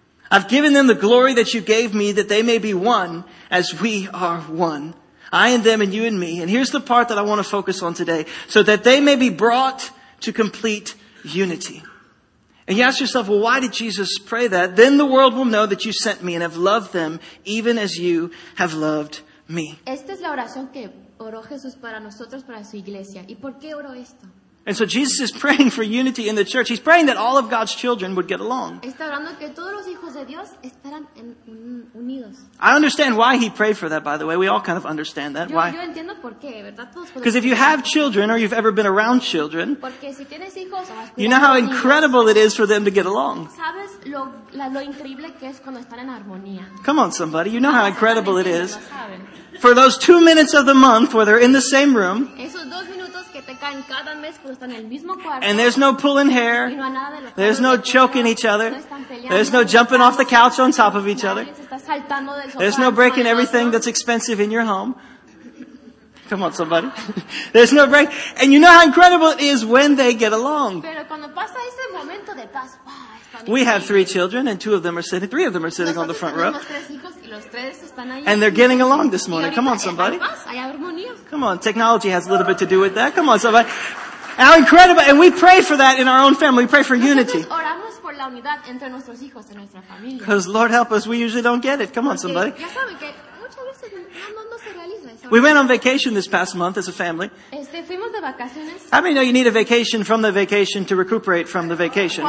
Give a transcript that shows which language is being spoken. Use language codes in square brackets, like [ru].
[en] I've given them the glory that you gave me, that they may be one as we are one. I and them and you and me. And here's the part that I want to focus on today. So that they may be brought to complete unity. And you ask yourself, well, why did Jesus pray that? Then the world will know that you sent me and have loved them even as you have loved me. [es] Esta es la oración que oró Jesús para nosotros, para su iglesia. ¿Y por qué oró esto? [en] And so Jesus is praying for unity in the church. He's praying that all of God's children would get along. [es] Está orando que todos los hijos de Dios estarán unidos. [en] I understand why he prayed for that, by the way. We all kind of understand that. [es] Yo, [en] why? [es] Yo entiendo por qué, ¿verdad? Todos por [en] because if you have children or you've ever been around children, [es] porque si tienes hijos, [en] you know how incredible it is for them to get along. [es] ¿Sabes lo increíble que es cuando están en armonía? [en] Come on, somebody. You know how incredible it is. [es] Lo saben. [en] For those 2 minutes of the month where they're in the same room, [es] esos dos minutos que te caen cada mes cuando están en el mismo cuarto, [en] and there's no pulling hair, [es] y no hay nada de lo [en] there's no choking [es] peleando, [en] each other, [es] no están peleando, [en] there's no jumping off the couch on top of each other, [es] se está saltando del sofá, [en] there's no breaking everything that's expensive in your home. Come on, somebody. There's no break. And you know how incredible it is when they get along. [es] Pero cuando pasa ese momento de paz, wow. [en] We have three children, and three of them are sitting [es] nosotros [en] on the front [es] tenemos [en] row. [es] Tres hijos, y los tres están ahí. [en] And they're getting along this morning. Come on, somebody. [es] Hay armonía. [en] Come on, technology has a little bit to do with that. Come on, somebody. How incredible. And we pray for that in our own family. We pray for [es] nosotros [en] unity. [es] Oramos por la unidad entre nuestros hijos en nuestra familia. [en] Because Lord help us, we usually don't get it. Come [es] porque [en] on, somebody. [es] Ya saben que muchas veces no se realiza eso. [en] We went on vacation this past month as a family. [es] Este, fuimos de vacaciones. [en] How many know you need a vacation from the vacation to recuperate from the vacation?